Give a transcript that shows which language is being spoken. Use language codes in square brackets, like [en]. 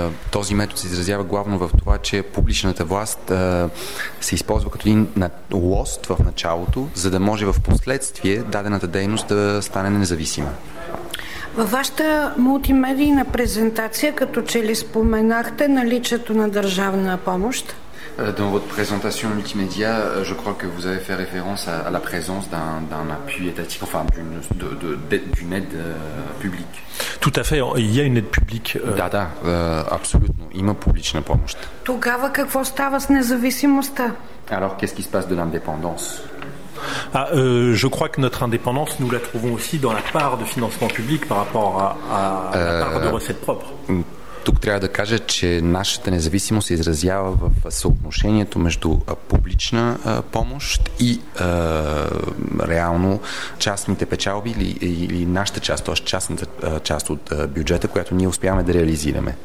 [bg] Този метод се изразява главно в това, че публичната власт се използва като един лост в началото, за да може в последствие дадената дейност да стане независима. Във вашата мултимедийна презентация, като че ли споменахте наличието на държавна помощ? [fr] Dans votre présentation multimédia, je crois que vous avez fait référence à la présence d'un appui étatique, enfin d'une aide publique. Tout à fait, il y a une aide publique. [bg] Да, абсолютно. Има публична помощ. Тогава какво става с независимостта? [fr] Alors, qu'est-ce qui se passe de l'indépendance? Je crois que notre indépendance, nous la trouvons aussi dans la part de financement public par rapport à la part de recettes propres. [bg] Тук трябва да кажа, че нашата независимост се изразява в съотношението между публична помощ и реално частните печалби или нашата част, т.е. частната част от бюджета, която ние успяваме да реализираме.